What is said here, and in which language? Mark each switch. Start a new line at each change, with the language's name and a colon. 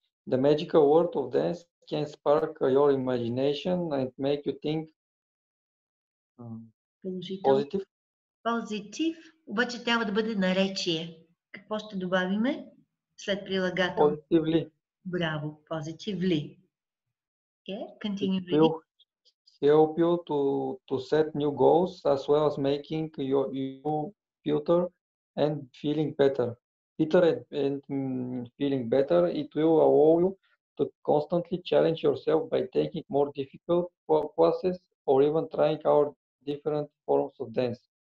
English: The magical world of dance can spark your imagination and make you think positive.
Bulgarian: Позитив, обаче трябва да бъде наречие. Какво ще добавиме след прилагател?
English: Positively.
Bulgarian: Браво,
English: positively. Okay, continue reading. It will help you to set new goals as well as making you better and feeling better. It will allow you to constantly challenge yourself by taking more difficult classes or even trying out different forms of dance.